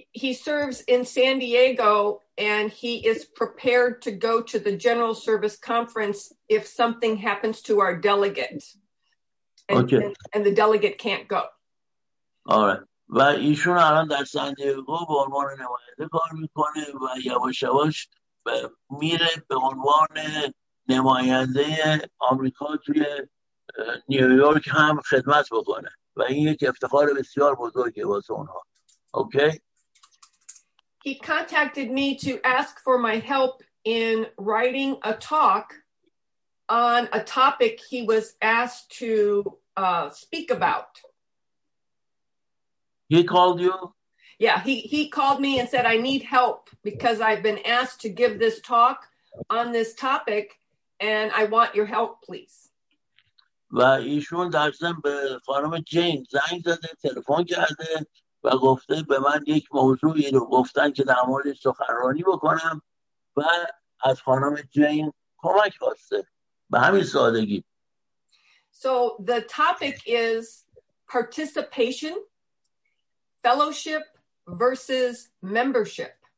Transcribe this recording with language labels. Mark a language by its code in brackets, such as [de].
[en] He serves in San Diego and he is prepared to go to the General Service Conference if something happens to our delegate. Okay. And the delegate can't go. All right. [fa] و ایشون الان در سان دیگو به عنوان نماینده کار میکنه و یواش یواش میره به عنوان نماینده آمریکا توی نیویورک هم خدمت بکنه و این یک افتخار بسیار بزرگه واسه اونها. [en] Okay. He contacted me to ask for my help in writing a talk on a topic he was asked to speak about. He called you? Yeah, he called me and said I need help because I've been asked to give this talk on this topic and I want your help please. [fa] و ایشون درستن به خانم جین زنگ زده تلفن کرده و گفته به من یک موضوعی رو گفتن که در مورد سخنرانی بکنم و از خانم جین کمک خواسته به همین سادگی. [en] So the topic is participation, fellowship versus membership.